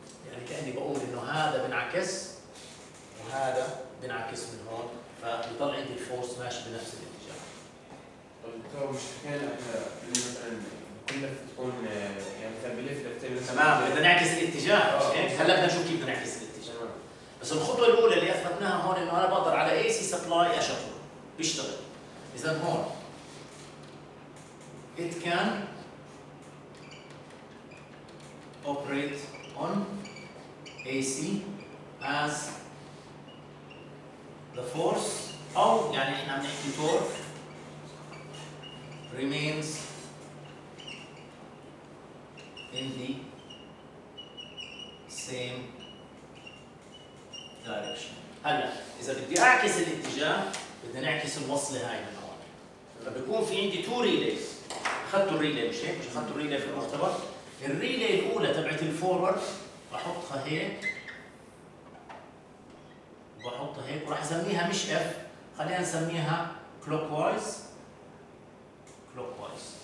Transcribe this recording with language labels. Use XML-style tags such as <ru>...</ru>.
<ar>يعني كاني بقول انه هذا بنعكس وهذا بنعكس من هون فبضل عندي الفورس ماشي بنفس الاتجاه. طيب دكتور مش حكينا احنا مثلا تكون يعني مثلا بلف تمام بدنا نعكس الاتجاه مش هيك؟ هلا بدنا نشوف كيف بدنا نعكس الاتجاه. بس الخطوه الاولى اللي اثبتناها هون انه انا بقدر على اي سي سبلاي اشغله بيشتغل. اذا هون</ar> <en>it can operate on AC as the force</en> <ar>او يعني احنا بنحكي</ar> <en>Torque remains in the same direction.</en> <ar>هلا اذا بدي اعكس الاتجاه بدنا نعكس الوصله هاي من هون. فبكون في عندي تو ريليز. اخذتوا الريلي مش هيك؟ اخذتوا الريلي في المختبر. الريلي الاولى تبعت الفورورد بحطها هيك وبحطها هيك وراح اسميها مش اف خلينا نسميها كلوك وايز. كلوك وايز.</ar>